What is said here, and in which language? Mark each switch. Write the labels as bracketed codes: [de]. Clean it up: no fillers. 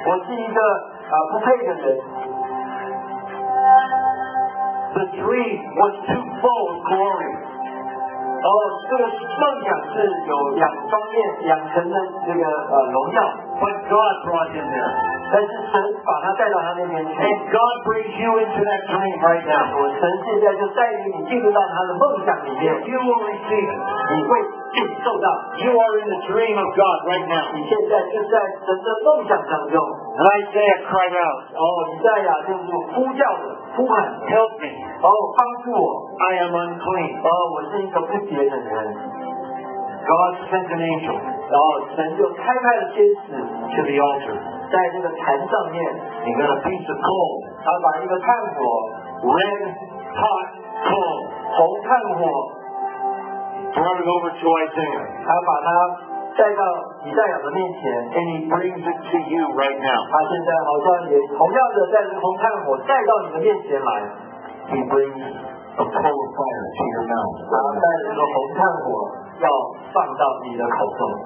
[zh] 我是一个不配的人. [en] The dream was too full of glory. [zh] 哦，这个梦想是有两方面，两层的这个荣耀。 [en] But God brought him there. [zh] 但是神把他带到他那边去。 [en] And God brings you into that dream right now. [zh] 神现在就带领你进入到他的梦想里面。 [en] You will receive it. [zh] 你会受到。 [en] You are in the dream of God right now. [zh] 你现在就在神的梦想当中。 [en] And Isaiah cried out. [zh] 哦，以赛亚就是呼叫的，呼喊。 [en] Help me. [zh] 哦，帮助我。 [en] I am unclean. [zh] 哦，我是一个不洁的人。 [en] God sent an angel. [zh] 然后神就开派了天使 [en] to the altar. [zh] 在那个坛上面, [en] he got a piece of coal. [zh] 他把一个炭火, [en] red hot coal. [zh] 红炭火, [en] brought it over to Isaiah. [zh] 他把它带到以赛亚的面前, [en] and he brings it to you right now. [zh] 他现在好像也同样的带着红炭火带到你的面前来. [en] He brings a coal of fire to your mouth. [zh] 他带着一个红炭火, 要放到你的口中.